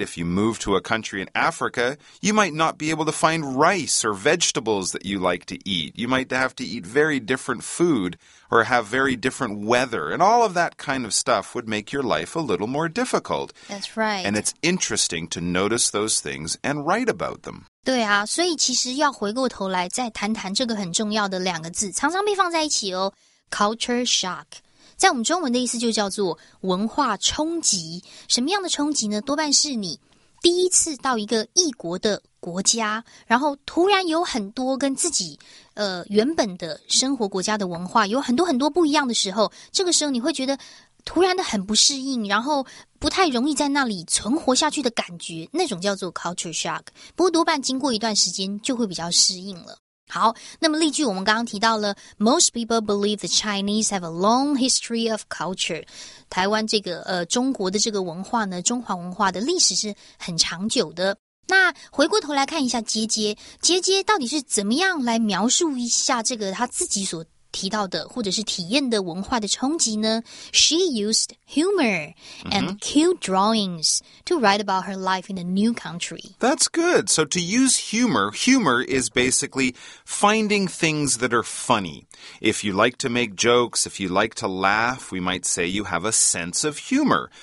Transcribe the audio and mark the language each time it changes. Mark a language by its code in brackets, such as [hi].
[en] If you move to a country in Africa, you might not be able to find rice or vegetables that you like to eat. You might have to eat very different food or have very different weather. And all of that kind of stuff would make your life a little more difficult. That's right. And it's interesting to notice those things and write about them. [zh] 对啊，所以其实要回过头来再谈谈这个很重要的两个字，常常被放在一起哦。 Culture shock， 在我们中文的意思就叫做文化冲击。什么样的冲击呢？多半是你第一次到一个异国的国家，然后突然有很多跟自己原本的生活国家的文化有很多很多不一样的时候，这个时候你会觉得突然的很不适应，然后不太容易在那里存活下去的感觉，那种叫做 culture shock。不过多半经过一段时间就会比较适应了。好，那么例句我们刚刚提到了 Most people believe the Chinese have a long history of culture，台湾这个中国的这个文化呢，中华文化的历史是很长久的。那回过头来看一下杰杰，杰杰到底是怎么样来描述一下这个他自己所提到的或者是体验的文化的冲击呢？ [en] She used humor and cute drawings to write about her life in a new country. That's good. So to use humor, humor is basically finding things that are funny. If you like to make jokes, if you like to laugh, we might say you have a sense of humor.